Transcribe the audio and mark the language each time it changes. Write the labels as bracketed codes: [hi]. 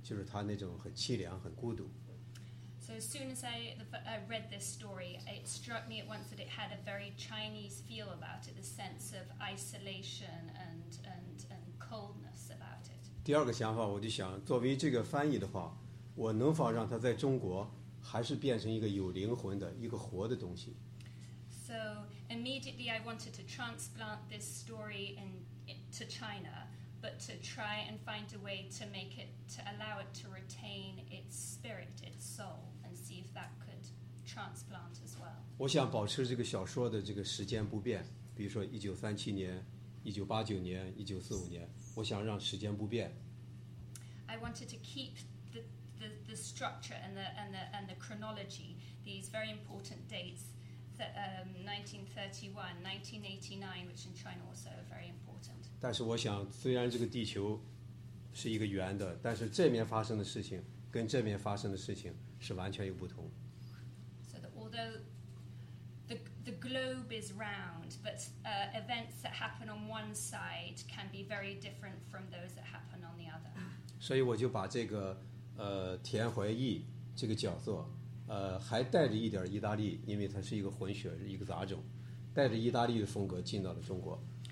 [zh] 我最初接到这个小说的时候，我发现它有一个特点跟中国小说有点相近，就是它那种很凄凉、很孤独。So [en] as soon as I read this story, it struck me at once that it had a very Chinese feel about it, the sense of isolation and coldness about it. [zh] 第二个想法，我就想，作为这个翻译的话，我能否让它在中国还是变成一个有灵魂的、一个活的东西？ [en] So immediately I wanted to transplant this story to China, but to try and find a way to make it, to allow it to retain its spirit, its soul, and see if that could transplant as well. [zh] 我想保持这个小说的这个时间不变，比如说1937年、1989年、1945年，我想让时间不变。 [en] I wanted to keep the structure and the chronology, these very important dates, that 1931, 1989, which in China also are very important. [zh] 但是我想，虽然这个地球是一个圆的，但是这面发生的事情跟这面发生的事情是完全有不同。 [en] So that although the globe is round, but events that happen on one side can be very different from those that happen on the other. [zh] 所以我就把这个田怀义这个角色还带着一点意大利，因为它是一个混血，一个杂种，带着意大利的风格进到了中国。